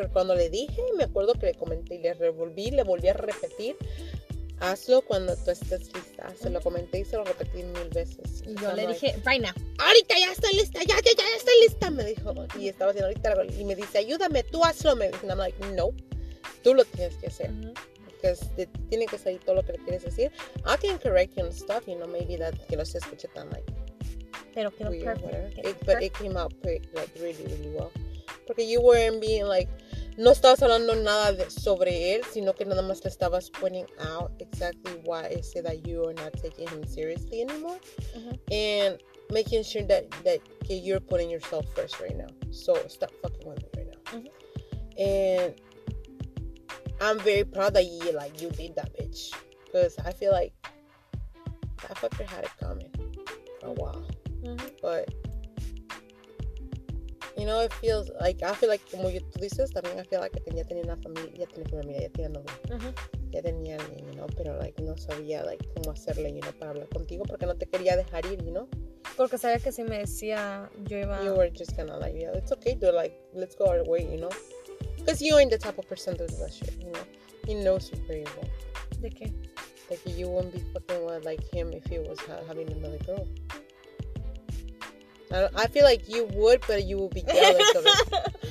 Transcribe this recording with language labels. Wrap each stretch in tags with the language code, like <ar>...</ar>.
<es>Cuando le dije, me acuerdo que le comenté y le volví a repetir, hazlo cuando tú estés lista. Se lo comenté y se lo repetí mil veces. Y yo le dije,</es> <en>right now.</en> <es>Ahorita ya estoy lista, ya estoy lista, me dijo. Y estaba haciendo ahorita la y me dice, ayúdame, tú hazlo. Me dice,</es> <en>I'm like,</en> <es>no, tú lo tienes que hacer. Porque tiene que salir todo lo que le quieres decir.</es> <en>I can correct you and stuff, you know, maybe that</en> <es>que no se escuche tan,</es> <en>like,</en> <es>pero quedó perfecto.</es> <en>But it came out pretty, like, really, really well. Porque you weren't being, like,</en> <es>no estabas hablando nada sobre él, sino que nada más le estabas</es> <en>pointing out exactly why I said that you are not taking him seriously anymore. Uh-huh. And making sure that you're putting yourself first right now. So stop fucking with me right now. Uh-huh. And I'm very proud that you did that, bitch. Because I feel like that fucker had it coming for a while. Uh-huh. But... you know, it feels like, I feel like,</en> <es>como tú dices, también</es> <en>I feel like</en> <es>ya tenía una familia, ya tenía familia, ya tenía novio. Ya tenía alguien, you know, pero like, no sabía, like, cómo hacerle, you know, para hablar contigo, porque no te quería dejar ir, you know. Porque sabía que si me decía, yo iba...</es> <en>you were just kind of like, yeah, it's okay, dude, like, let's go our way, you know. Because you ain't the type of person to do that shit, you know. He knows you very well.</en> <es>¿De qué?</es> <en>Like, you wouldn't be fucking with, like, him if he was having another girl. I feel like you would, but you will be jealous of it.</en>